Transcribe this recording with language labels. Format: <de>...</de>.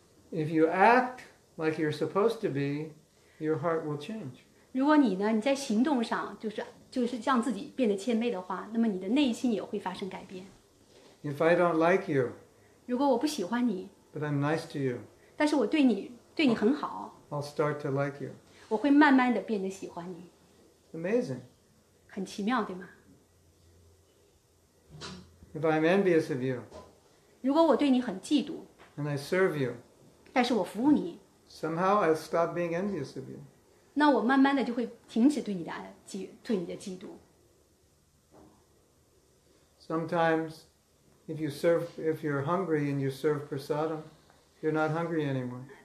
<en>If you act like you're supposed to be, your heart will change.</en> <zh>如果你呢, 你在行动上, 就是让自己变得谦卑的话, 那么你的内心也会发生改变。</zh> <en>If I don't like you,</en> <zh>如果我不喜欢你,</zh> <en>but I'm nice to you,</en> <zh>但是我对你, 对你很好,</zh> <en>I'll start to like you.</en> <zh>我会慢慢地变得喜欢你。</zh> <en>Amazing.</en> <zh>很奇妙,对吗?</zh> <en>If I'm envious of you,</en> <zh>如果我对你很嫉妒,</zh> <en>and I serve you,</en> <zh>但是我服务你,</zh> <en>somehow I'll stop being envious of you.</en> <zh>那我慢慢地就会停止对你的嫉妒。</zh> <en>Sometimes, if you serve, if you're hungry and you serve prasadam, you're not hungry anymore.</en>